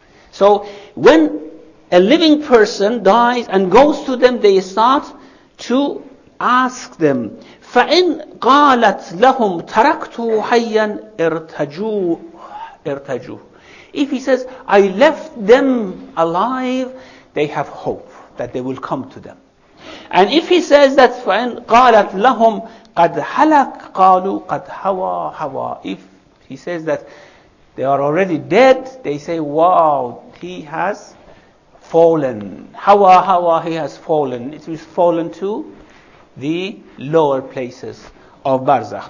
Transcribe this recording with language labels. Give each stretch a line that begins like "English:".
English: So when a living person dies and goes to them, they start to ask them.
Arabic: فَإِنْ قَالَتْ لَهُمْ تَرَكْتُ حَيًّا ارْتَجُوا.
English: If he says, I left them alive, they have hope that they will come to them. And if he says that,
Arabic: فَإِنْ قَالَتْ لَهُمْ قَدْ حَلَكْ قَالُوا قَدْ هَوَى هَوَى.
English: If he says that they are already dead, they say, wow, he has fallen.
Arabic: هَوَى هَوَى,
English: he has fallen. It is fallen to the lower places of Barzakh.